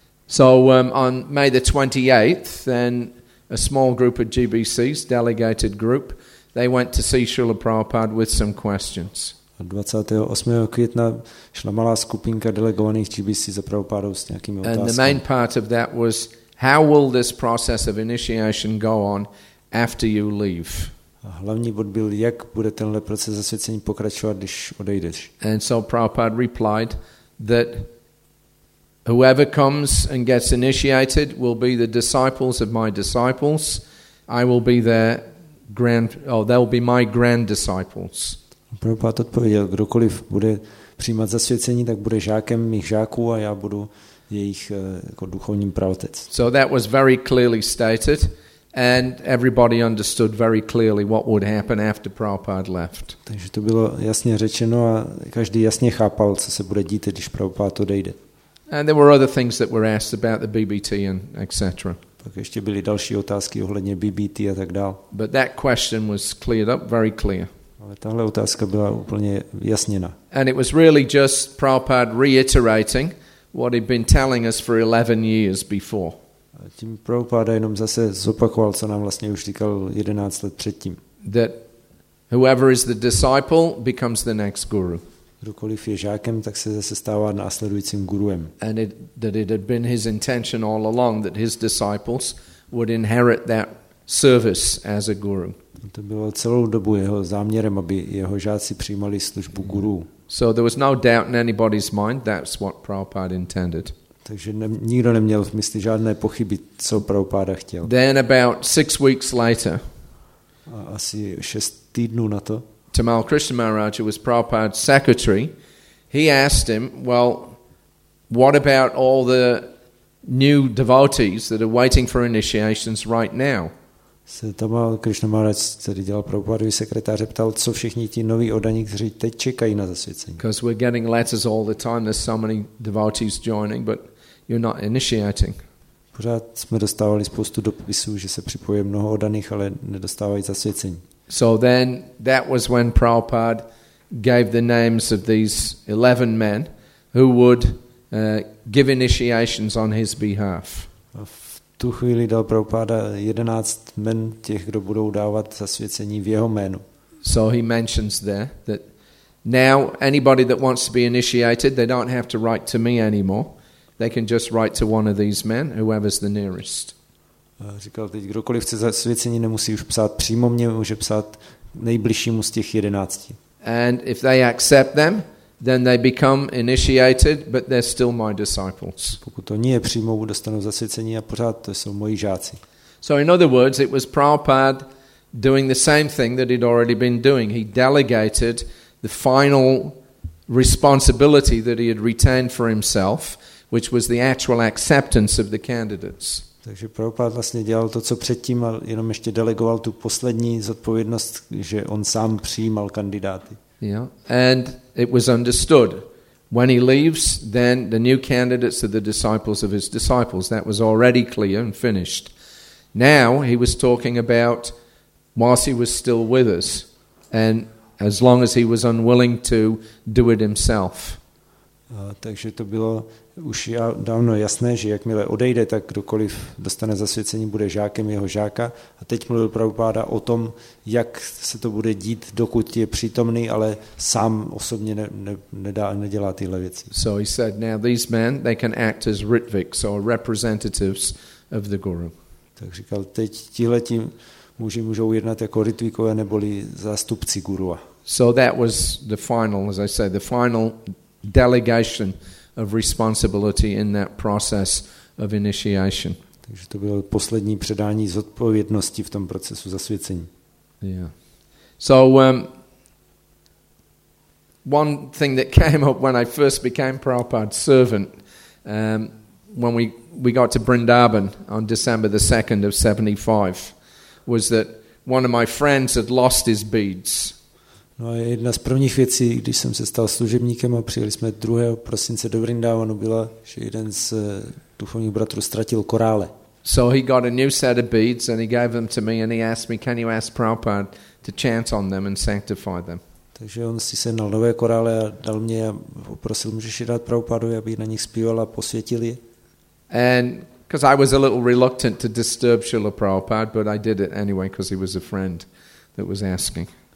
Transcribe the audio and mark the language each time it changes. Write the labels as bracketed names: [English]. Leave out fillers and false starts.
[English] So on May the 28th, then a small group of GBCs, delegated group, they went to see Srila Prabhupada with some questions. [Czech] A 28. května šla malá skupinka delegovaných GBC za Prabhupádou s nějakými otázkami. [English] And the main part of that was, how will this process of initiation go on after you leave? [Czech] hlavní bod byl, jak bude tenhle proces zasvěcení pokračovat, když odejdeš. [English] And so Prabhupada replied that whoever comes and gets initiated will be the disciples of my disciples. I will be their grand, oh, they'll be my grand disciples. [Czech] Prabhupada odpověděl, kdokoliv bude přijímat zasvěcení, tak bude žákem mých žáků a já budu jejich jako duchovním praotec. [English] So that was very clearly stated and everybody understood very clearly what would happen after Prabhupada left. [Czech] Takže to bylo jasně řečeno a každý jasně chápal, co se bude dít, když Prabhupada odejde. [English] And there were other things that were asked about the BBT and etc. [Czech] Pak ještě byly další otázky ohledně BBT a tak dál. [English] But that question was cleared up very clear. [Czech] Ale tahle otázka byla úplně vyjasněna. [English] And it was really just Prabhupada reiterating what he'd been telling us for 11 years before. [Czech] A tím Prabhupada jenom zase zopakoval, co nám vlastně už říkal 11 let předtím. [English] That whoever is the disciple becomes the next guru. [Czech] Kdokoliv je žákem, tak se zase stává následujícím guruem. [English] And it, that it had been his intention all along that his disciples would inherit that service as a guru. [Czech] To bylo celou dobu jeho záměrem, aby jeho žáci přijímali službu guru. [English] So there was no doubt in anybody's mind that's what Prabhupada intended. [Czech] Takže nikdo neměl v mysli žádné pochyby, co Prabhupada chtěl. [English] Then about 6 weeks later. [Czech] A asi 6 týdnů na to. [English] Tamal Krishna Maharaj, who was Prabhupada's secretary, he asked him, well, what about all the new devotees that are waiting for initiations right now? [Czech] Tamal Krishna Maharaj, který dělal Prabhupádovi sekretáře, ptal, co všichni ti noví odaní, kteří teď čekají na zasvěcení. [English] Because we're getting letters all the time, there's so many devotees joining, but you're not initiating. [Czech] Pořád jsme dostávali spoustu dopisů, že se připojuje mnoho odaných, ale nedostávají zasvěcení. [English] So then that was when Prabhupada gave the names of these 11 men who would give initiations on his behalf. [Czech] V tu chvíli dal Prabhupada 11 men těch, kdo budou dávat zasvěcení v jeho jménu. [English] So he mentions there that now anybody that wants to be initiated, they don't have to write to me anymore. They can just write to one of these men, whoever's the nearest. [Czech] Říkal, teď kdokoliv chce zasvěcení, nemusí už psát přímo mě, může psát nejbližšímu z těch 11. [English] And if they accept them, then they become initiated, but they're still my disciples. [Czech] Pokud oni je přijmou, dostanou zasvěcení a pořád to jsou moji žáci. [English] So in other words, it was Prabhupada doing the same thing that he'd already been doing. He delegated the final responsibility that he had retained for himself, which was the actual acceptance of the candidates. [Czech] Takže Prabhupada vlastně dělal to, co předtím, a jenom ještě delegoval tu poslední zodpovědnost, že on sám přijímal kandidáty. [English] Yeah. And it was understood. When he leaves, then the new candidates are the disciples of his disciples. That was already clear and finished. Now he was talking about whilst he was still with us and as long as he was unwilling to do it himself. [Czech] Takže to bylo už dávno jasné, že jakmile odejde, tak kdokoliv dostane zasvěcení, bude žákem jeho žáka. A teď mluvil Prabhupada o tom, jak se to bude dít, dokud je přítomný, ale sám osobně nedělá tyhle věci. [English] So he said, now these men, they can act as ritviks, or representatives of the guru. [Czech] Tak říkal, teď tihle ti muži můžou jednat jako ritvíkové, neboli zástupci gurua. [English] So that was the final, as I said, the final delegation of responsibility in that process of initiation. [Czech] Takže to bylo poslední předání zodpovědnosti v tom procesu zasvěcení. [English] Yeah. So one thing that came up when I first became Prabhupada's servant when we got to Vrindavan on December the 2nd of 75 was that one of my friends had lost his beads. [Czech] No a jedna z prvních věcí, když jsem se stal služebníkem a přijeli jsme 2. prosince do Vrindavanu, byla, že jeden z duchovních bratrů ztratil korále. [English] So he got a new set of beads and he gave them to me and he asked me, can you ask Prabhupada to chant on them and sanctify them? [Czech] Takže on si sehnal nové korále a dal mě a poprosil, můžeš je dát Prabhupadovi, aby na nich zpíval a posvětil je. [English] And because I was a little reluctant to disturb Srila Prabhupada, but I did it anyway because he was a friend that was asking.